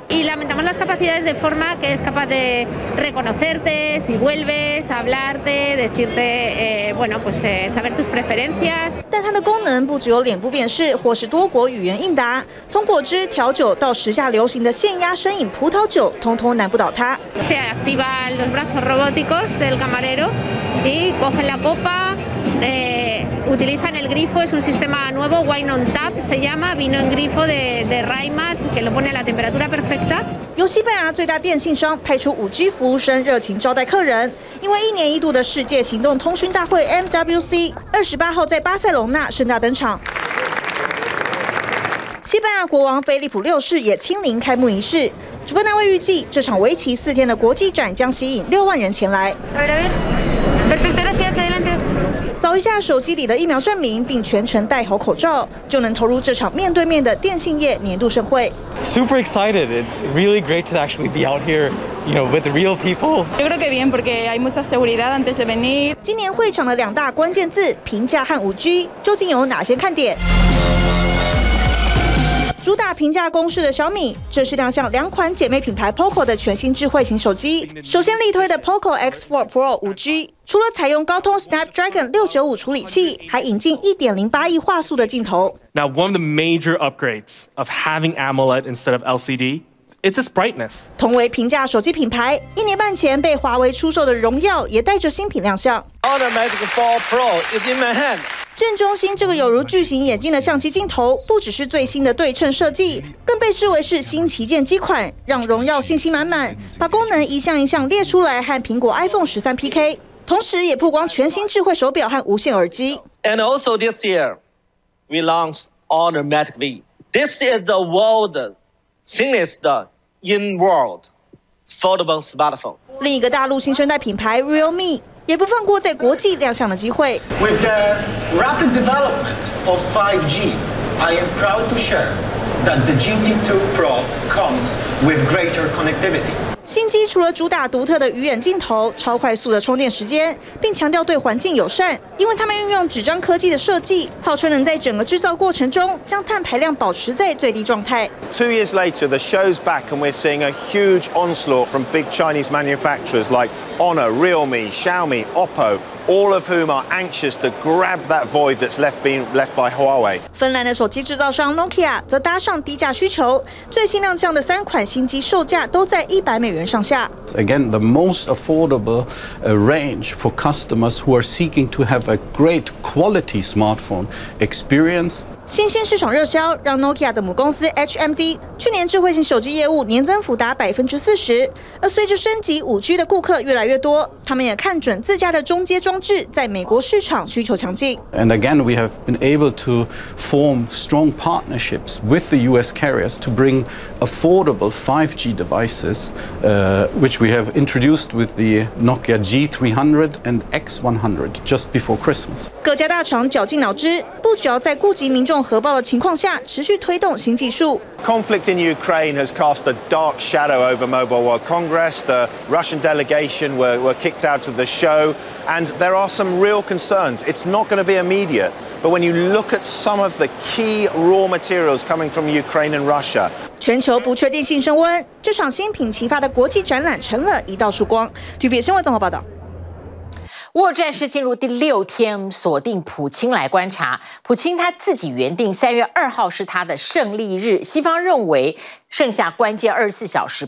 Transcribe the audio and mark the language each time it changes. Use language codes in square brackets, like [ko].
[es] Y lamentamos las capacidades de forma que es capaz de reconocerte si vuelves, hablarte, decirte, bueno, pues saber tus preferencias. [zh] 但它的功能不只有脸部辨识或是多国语言应答，从果汁、调酒到时下流行的现压生饮葡萄酒，通通难不倒它。 [es] Se activan los brazos robóticos del camarero y cogen la copa. Utilizan el grifo, es un sistema nuevo, Wine on Tap se llama, vino en grifo de Raimat, que lo pone a la temperatura perfecta. [zh] 由西班牙最大电信商派出 5G 服务生热情招待客人，因为一年一度的世界行动通讯大会 MWC 28号在巴塞隆纳盛大登场。西班牙国王菲利普六世也亲临开幕仪式，主办单位预计这场为期四天的国际展将吸引60000人前来。扫一下手机里的疫苗证明，并全程戴好口罩，就能投入这场面对面的电信业年度盛会。 [en] Super excited! It's really great to actually be out here, you know, with real people. [es] Yo creo que bien porque hay mucha seguridad antes de venir. [zh] 今年会场的两大关键字，评价和 5G， 究竟有哪些看点？主打平价攻势的小米，这是亮相两款姐妹品牌 POCO 的全新智慧型手机。首先力推的 POCO X4 Pro 5G， 除了采用高通 Snapdragon 695处理器，还引进1.08亿画素的镜头。 [en] Now one of the major upgrades of having AMOLED instead of LCD. It's its brightness. [zh] 同为平价手机品牌，一年半前被华为出售的荣耀也带着新品亮相。 [en] Honor Magic 4 Pro is in my hand. [zh] 正中心这个有如巨型眼镜的相机镜头，不只是最新的对称设计，更被视为是新旗舰机款，让荣耀信心满满，把功能一项一项列出来和苹果 iPhone 13 PK， 同时也曝光全新智慧手表和无线耳机。 [en] And also this year, we launched Honor Magic V. This is the world's thinnest. In-world foldable smartphone. [zh] 另一个大陆新生代品牌 Realme 也不放过在国际亮相的机会。 [en] With the rapid development of 5G, I am proud to share that the GT2 Pro comes with greater connectivity. [zh] 新机除了主打独特的鱼眼镜头、超快速的充电时间，并强调对环境友善，因为他们运用纸张科技的设计，号称能在整个制造过程中将碳排量保持在最低状态。 [en] Two years later, the show's back, and we're seeing a huge onslaught from big Chinese manufacturers like Honor, Realme, Xiaomi, Oppo, all of whom are anxious to grab that void that's left by Huawei. [zh] 芬兰的手机制造商 Nokia 则搭上低价需求，最新亮相的三款新机售价都在100美元上下。 [en] Again, the most affordable range for customers who are seeking to have a great quality smartphone experience. [zh] 新兴市场热销让 Nokia 的母公司 HMD 去年智慧型手机业务年增幅达40%，而随着升级 5G 的顾客越来越多，他们也看准自家的中阶装置在美国市场需求强劲。 [en] And again, we have been able to form strong partnerships with the US carriers to bring affordable 5G devices, which we have introduced with the Nokia G300 and X100 just before Christmas. [zh] 各家大厂绞尽脑汁，不只要在顾及民众荷包的情况下持续推动新技术。 [en] Conflict in Ukraine has cast a dark shadow over Mobile World Congress. The Russian delegation were kicked out of the show, and there are some real concerns. It's not going to be immediate, but when you look at some of the key raw materials coming from Ukraine and Russia, [zh] 全球不确定性升温，这场新品启发的国际展览成了一道曙光。TVBS 新闻综合报道。乌俄战事进入第六天，锁定普京来观察。普京他自己原定3月2号是他的胜利日，西方认为剩下关键24小时。